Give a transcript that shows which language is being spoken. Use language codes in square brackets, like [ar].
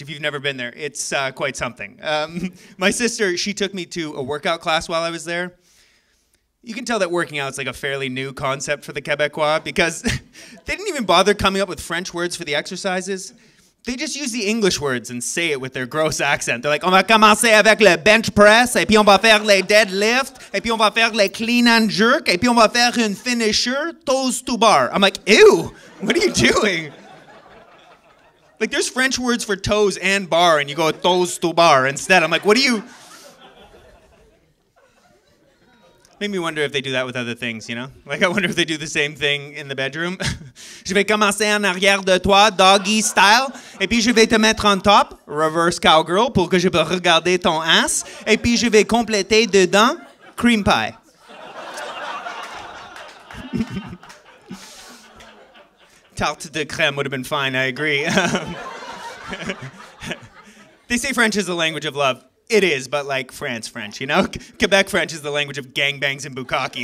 [en] If you've never been there, it's quite something. My sister, she took me to a workout class while I was there. You can tell that working out is like a fairly new concept for the Quebecois because they didn't even bother coming up with French words for the exercises. They just use the English words and say it with their gross accent. They're like, [fr] on va commencer avec le bench press, et puis on va faire le deadlift, et puis on va faire le clean and jerk, et puis on va faire un finisher, toes to bar. [en] I'm like, ew, what are you doing? Like, there's French words for toes and bar, and you go toes to bar instead. I'm like, what are you? Made me wonder if they do that with other things, you know? Like, I wonder if they do the same thing in the bedroom. [fr] Je vais commencer en arrière de toi, doggy style. Et puis je vais te mettre en top, reverse cowgirl, pour que je peux regarder ton ass. Et puis je vais compléter dedans, cream pie. Tarte de crème [en] would have been fine, I agree. They say French is the language of love. It is, but like France French, you know? Quebec French is the language of gangbangs and bukkake.